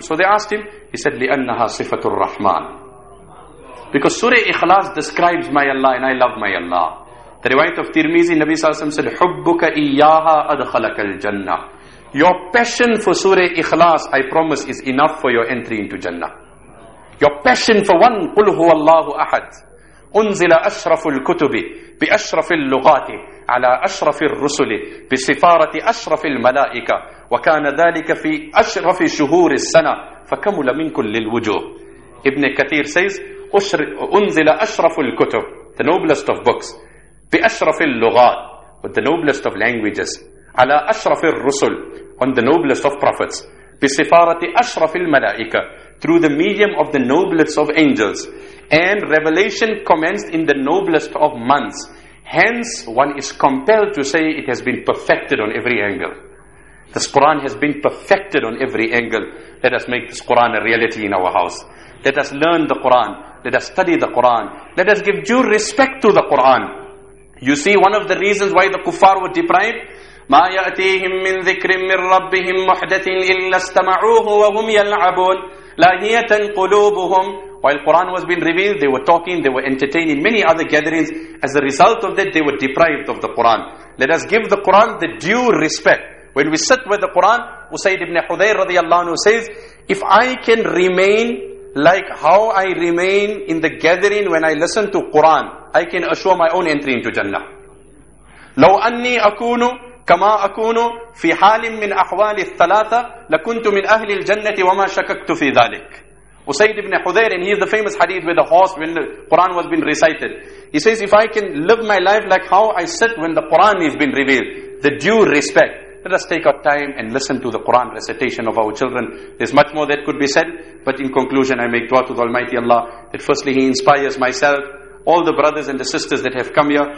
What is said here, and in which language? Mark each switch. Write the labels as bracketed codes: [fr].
[en] So they asked him, he said, [ar] لِأَنَّهَا صِفَةُ الرَّحْمَانِ. [en] Because Surah Ikhlas describes my Allah and I love my Allah. The riwayat of Tirmizi, Nabi sallallahu alayhi wa sallam said, [ar] حُبُّكَ إِيَّاهَا أَدْخَلَكَ الْجَنَّةِ. [en] Your passion for Surah Ikhlas, I promise, is enough for your entry into Jannah. Your passion for one, [ar] قُلْ هُوَ اللَّهُ أَحَدٌ أُنزِلَ أَشْرَفُ الْكُتُبِ بِأَشْرَفِ اللُّغَاتِ عَلَى أَشْرَفِ الرُّسُلِ بِصِفَارَةِ أَشْرَفِ الْمَلَائِكَةِ وَكَانَ ذَلِكَ فِي أَشْرَفِ شُهُورِ السَّنَةِ فَكَمُلَ مِنْ كُلِّ الْوُجُوهِ. [en] Ibn Kathir says, [ar] أُنزِلَ أَشْرَفُ الْكُتُبِ, [en] the noblest of books, [ar] بِأَشْرَفِ اللُّغَاتِ, [en] with the noblest of languages, [ar] على أشرف الرسل, [en] on the noblest of prophets, [ar] بصفارة أشرف الملائكة, [en] through the medium of the noblest of angels, and revelation commenced in the noblest of months. Hence, one is compelled to say it has been perfected on every angle. This Quran has been perfected on every angle. Let us make this Quran a reality in our house. Let us learn the Quran. Let us study the Quran. Let us give due respect to the Quran. You see, one of the reasons why the kuffar were deprived, [ar] ما يأتيهم من ذكر من ربهم محدث إلا استمعوه وهم يلعبون لاهية قلوبهم. [en] While Quran was being revealed, they were talking, they were entertaining many other gatherings. As a result of that, they were deprived of the Quran. Let us give the Quran the due respect. When we sit with the Quran, Usayd ibn Hudayr radiallahu anhu says, if I can remain like how I remain in the gathering when I listen to Quran, I can assure my own entry into Jannah. [ar] لو أني أكون كما أكون في حال من أحوال الثلاثة لكنت من أهل الجنة وما شككت في ذلك. [en] Usayd ibn Hudayr, and he is the famous hadith with the horse when the Quran was being recited. He says, if I can live my life like how I sit when the Quran is being revealed, the due respect. Let us take our time and listen to the Quran recitation of our children. There's much more that could be said, but in conclusion, I make dua to the Almighty Allah that firstly He inspires myself, all the brothers and the sisters that have come here.